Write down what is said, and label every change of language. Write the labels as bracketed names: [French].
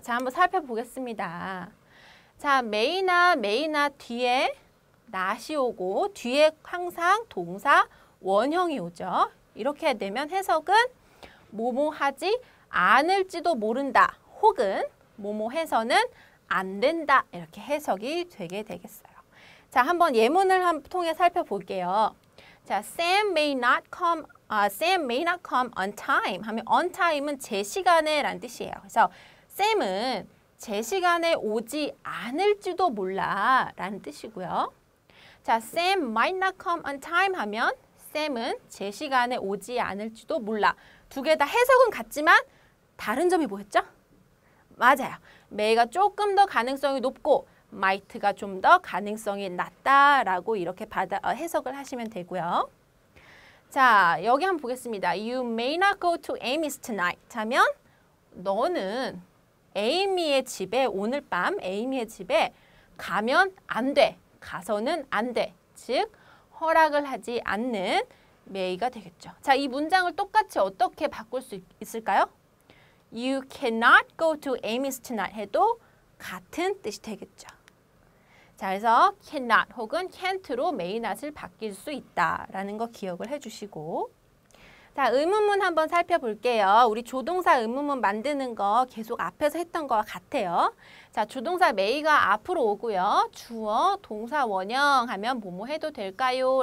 [Korean] 자, 한번 살펴보겠습니다. 자, 매이나 뒤에 낫이 오고 뒤에 항상 동사 원형이 오죠. 이렇게 되면 해석은 뭐뭐 하지 않을지도 모른다. 혹은 뭐뭐 해서는 안 된다. 이렇게 해석이 되게 되겠어요. 자, 한번 예문을 통해 살펴볼게요. [English] 자, Sam may not come on time. [Korean] 하면 on time은 제 시간에란 뜻이에요. 그래서 Sam은 제 시간에 오지 않을지도 몰라라는 뜻이고요. 자, [English] Sam might not come on time [Korean] 하면 Sam은 제 시간에 오지 않을지도 몰라. 두 개 다 해석은 같지만 다른 점이 뭐였죠? 맞아요. may가 조금 더 가능성이 높고 might가 좀 더 가능성이 낮다라고 이렇게 해석을 하시면 되고요. 자, 여기 한번 보겠습니다. [English] You may not go to Amy's tonight [Korean] 하면 너는 에이미의 집에 오늘 밤 에이미의 집에 가면 안 돼. 가서는 안 돼. 즉, 허락을 하지 않는 may가 되겠죠. 자, 이 문장을 똑같이 어떻게 바꿀 수 있을까요? [English] You cannot go to Amy's tonight [Korean] 해도 같은 뜻이 되겠죠. 자, 그래서 cannot 혹은 can't로 may not을 바뀔 수 있다라는 거 기억을 해주시고, 자, 의문문 한번 살펴볼게요. 우리 조동사 의문문 만드는 거 계속 앞에서 했던 거와 같아요. 자, 조동사 may가 앞으로 오고요. 주어, 동사 원형 하면 뭐뭐 해도 될까요?